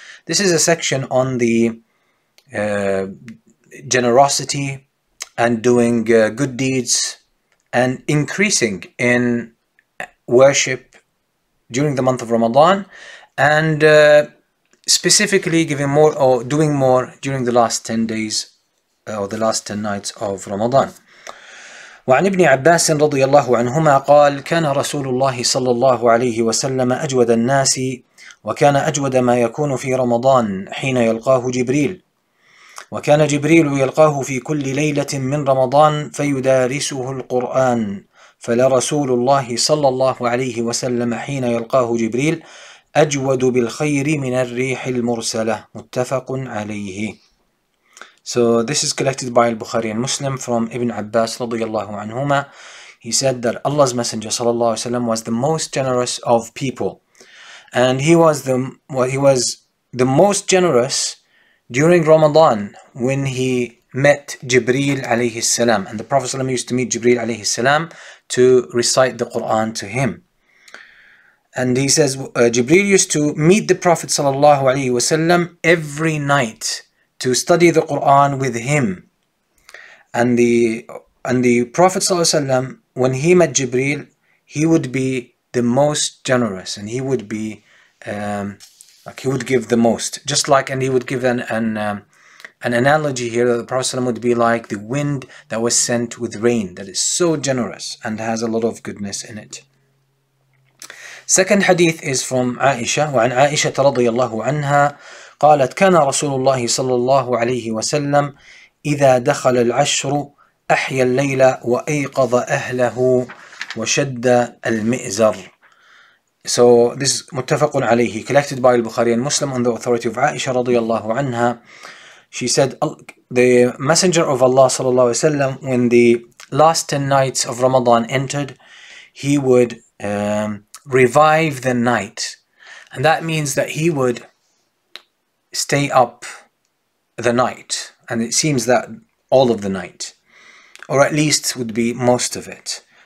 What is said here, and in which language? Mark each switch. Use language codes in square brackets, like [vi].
[en] This is a section on the generosity and doing good deeds and increasing in worship during the month of Ramadan, and specifically giving more or doing more during the last 10 days or the last 10 nights of Ramadan. [ar] وعن ابن عباس رضي الله عنهما قال كان رسول الله صلى الله عليه وسلم أجود الناس وكان أجود ما يكون في رمضان حين يلقاه جبريل وكان جبريل يلقاه في كل ليلة من رمضان فيدارسه القرآن فلرسول الله صلى الله عليه وسلم حين يلقاه جبريل أجود بالخير من الريح المرسلة متفق عليه. [en] So this is collected by al-Bukhari and Muslim from Ibn Abbas radiyallahu anhuma. He said that Allah's Messenger sallallahu alayhi wa sallam was the most generous of people. And he was the most generous during Ramadan when he met Jibreel alayhi salam. And the Prophet sallallahu alayhi wa sallam used to meet Jibreel alayhi salam to recite the Quran to him. And he says, Jibreel used to meet the Prophet sallallahu alayhi wa sallam every night to study the Quran with him. And the Prophet ﷺ, when he met Jibreel, he would be the most generous, and he would be he would give the most. Just like, and he would give an analogy here, that the Prophet ﷺ would be like the wind that was sent with rain, that is so generous and has a lot of goodness in it. Second hadith is from Aisha, [ar] وعن عائشة رضي الله عنها قالت كان رسول الله صلى الله عليه وسلم إذا دخل العشر أحيا الليل وأيقظ أهله وشد المئزر. [en] So this is متفق عليه, collected by البخاري and Muslim on the authority of عائشة رضي الله عنها. She said the messenger of Allah صلى الله عليه وسلم, when the last 10 nights of Ramadan entered, he would revive the night, and that means that he would stay up the night, and it seems that all of the night, or at least would be most of it.